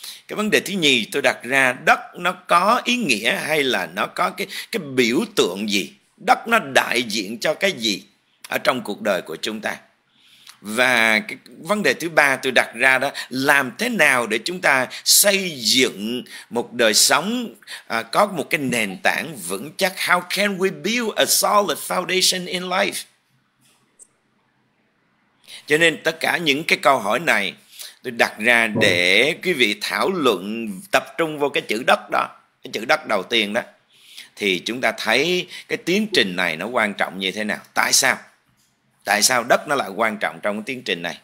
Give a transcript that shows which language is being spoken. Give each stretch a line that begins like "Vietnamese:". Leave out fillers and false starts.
Vietnamese: Cái vấn đề thứ nhì tôi đặt ra, đất nó có ý nghĩa hay là nó có cái biểu tượng gì? Đất nó đại diện cho cái gì ở trong cuộc đời của chúng ta? Và cái vấn đề thứ ba tôi đặt ra đó, làm thế nào để chúng ta xây dựng một đời sống có một cái nền tảng vững chắc?
English: How can we build a solid foundation in life?
Vietnamese: Cho nên tất cả những cái câu hỏi này tôi đặt ra để quý vị thảo luận, tập trung vào cái chữ đất đó, cái chữ đất đầu tiên đó, thì chúng ta thấy cái tiến trình này nó quan trọng như thế nào. Tại sao đất nó lại quan trọng trong cái tiến trình này?